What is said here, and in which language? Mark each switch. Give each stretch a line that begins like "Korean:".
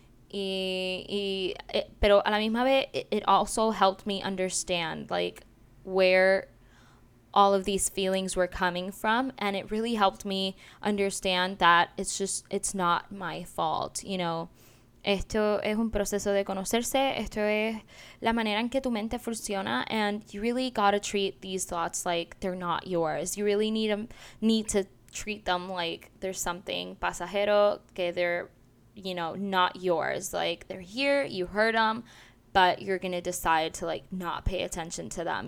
Spanish: Pero a la misma vez,
English: it also helped me understand, like, where all of these feelings were coming from. And it really helped me understand that it's not my fault, you know.
Spanish: Esto es un proceso de conocerse. Esto es la manera en que tu mente funciona.
English: And you really gotta treat these thoughts like they're not yours. You really need to treat them like they're something pasajero, que they're, you know, not yours. Like, they're here, you heard them, but you're gonna decide to, like, not pay attention to them.